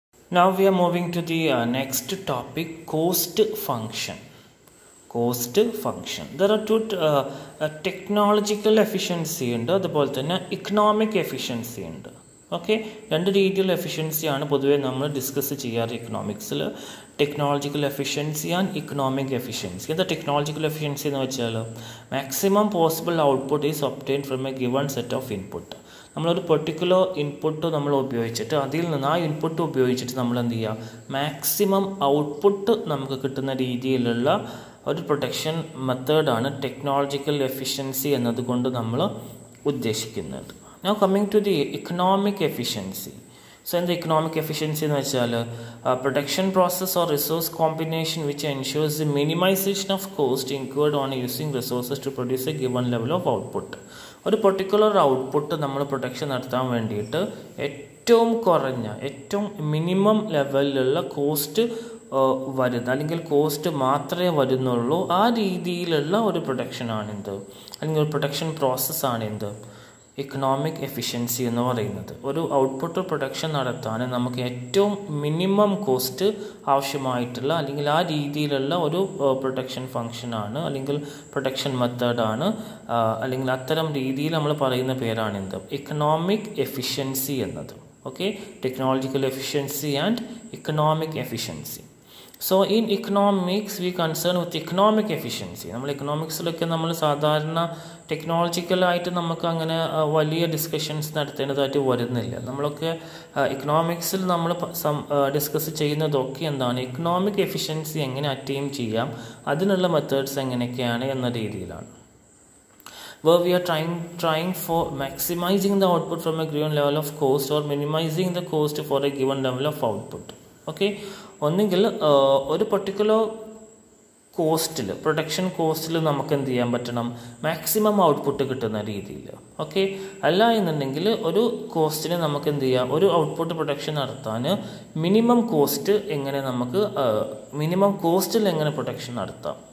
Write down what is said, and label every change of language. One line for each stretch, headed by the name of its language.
English: Now we are moving to the next topic, cost function. Cost function. There are two technological efficiency and economic efficiency.
Malayalam: Okay, രണ്ട് രീതിയിലുള്ള എഫിഷ്യൻസിയാണ് പൊതുവെ നമ്മൾ discuss ചെയ്യാറ് ഇക്കണോമിക്സിൽ, technological efficiency and economic efficiency. എന്താ technological efficiency എന്ന് വെച്ചാൽ,
English: Maximum possible output is obtain from a given set of input.
Malayalam: നമ്മളൊരു particular input നമ്മൾ ഉപയോഗിച്ചിട്ട് അതിൽ നിന്ന് ആ ഇൻപുട്ട് ഉപയോഗിച്ചിട്ട് നമ്മൾ എന്ത് ചെയ്യുക, മാക്സിമം ഔട്ട്പുട്ട് നമുക്ക് കിട്ടുന്ന രീതിയിലുള്ള ഒരു പ്രൊഡക്ഷൻ മെത്തേഡാണ് ടെക്നോളജിക്കൽ എഫിഷ്യൻസി എന്നതുകൊണ്ട് നമ്മൾ ഉദ്ദേശിക്കുന്നത്.
English: Now coming to the economic efficiency. So in the economic efficiency, production process or resource combination which ensures the minimization of cost incurred on using resources to produce a given level of output.
Malayalam: ഒരു particular output നമ്മൾ production നടത്താൻ വേണ്ടിയിട്ട് ഏറ്റവും കുറഞ്ഞ, ഏറ്റവും minimum ലെവലിലുള്ള cost വരുന്ന, അല്ലെങ്കിൽ കോസ്റ്റ് മാത്രമേ വരുന്നുള്ളൂ ആ രീതിയിലുള്ള ഒരു പ്രൊഡക്ഷനാണെന്ത്, അല്ലെങ്കിൽ ഒരു പ്രൊഡക്ഷൻ പ്രോസസ്സാണെന്ത് ഇക്കണോമിക് എഫിഷ്യൻസി എന്ന് പറയുന്നത്. ഒരു ഔട്ട്പുട്ട് പ്രൊഡക്ഷൻ നടത്താൻ നമുക്ക് ഏറ്റവും മിനിമം കോസ്റ്റ് ആവശ്യമായിട്ടുള്ള, അല്ലെങ്കിൽ ആ രീതിയിലുള്ള ഒരു പ്രൊഡക്ഷൻ ഫംഗ്ഷനാണ്, അല്ലെങ്കിൽ പ്രൊഡക്ഷൻ മെത്തേഡാണ്, അല്ലെങ്കിൽ അത്തരം രീതിയിൽ നമ്മൾ പറയുന്ന പേരാണെന്ത്, ഇക്കണോമിക് എഫിഷ്യൻസി എന്നത്. Okay, technological efficiency and economic efficiency.
English: So in economics we concern with economic efficiency.
Malayalam: നമ്മൾ ഇക്കണോമിക്സിൽ ഒക്കെ നമ്മൾ സാധാരണ ടെക്നോളജിക്കലായിട്ട് നമുക്ക് അങ്ങനെ വലിയ ഡിസ്കഷൻസ് നടത്തേണ്ടതായിട്ട് വരുന്നില്ല. നമ്മളൊക്കെ ഇക്കണോമിക്സിൽ നമ്മൾ ഡിസ്കസ് ചെയ്യുന്നതൊക്കെ എന്താണ്, ഇക്കണോമിക് എഫിഷ്യൻസി എങ്ങനെ അറ്റെയിം ചെയ്യാം, അതിനുള്ള മെത്തേഡ്സ് എങ്ങനെയൊക്കെയാണ് എന്ന രീതിയിലാണ്.
English: Where we are trying for maximizing the output from a given level of cost or minimizing the cost for a given level of output.
Malayalam: Okay, ഒന്നെങ്കിൽ ഒരു പെർട്ടിക്കുലർ കോസ്റ്റിൽ, പ്രൊഡക്ഷൻ കോസ്റ്റിൽ നമുക്ക് എന്ത് ചെയ്യാൻ പറ്റണം, മാക്സിമം ഔട്ട്പുട്ട് കിട്ടുന്ന രീതിയിൽ. ഓക്കെ, അല്ല എന്നുണ്ടെങ്കിൽ ഒരു കോസ്റ്റിന് നമുക്ക് എന്ത് ചെയ്യാം, ഒരു ഔട്ട്പുട്ട് പ്രൊഡക്ഷൻ നടത്താൻ മിനിമം കോസ്റ്റ് എങ്ങനെ നമുക്ക്, മിനിമം കോസ്റ്റിൽ എങ്ങനെ പ്രൊഡക്ഷൻ നടത്താം.